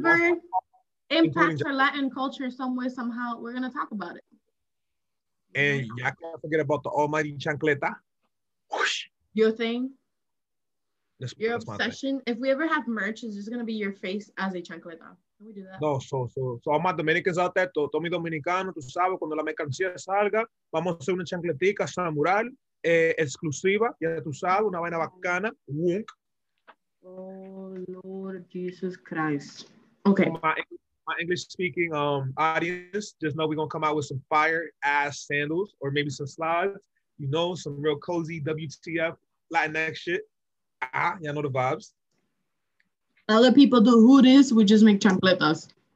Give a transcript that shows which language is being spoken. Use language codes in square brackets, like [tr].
[en] whatever impacts our Latin culture some way, somehow, we're going to talk about it. And y'all can't forget about the almighty chancleta. Whoosh. Your thing? Your obsession. If we ever have merch, it's just gonna be your face as a chancleta. Can we do that? No, so all my Dominicans out there, [es] todo mi dominicano, tú sabes, cuando la mercancía salga, vamos a hacer una chancletica samural, exclusiva, ya tú sabes, una vaina bacana. Wunk. [en] Oh Lord Jesus Christ. Okay. So my English speaking audience, just know we're gonna come out with some fire ass sandals or maybe some slides. You know, some real cozy WTF Latinx shit. Ah, y'all know the vibes. Other people do who this, we just make chancletas.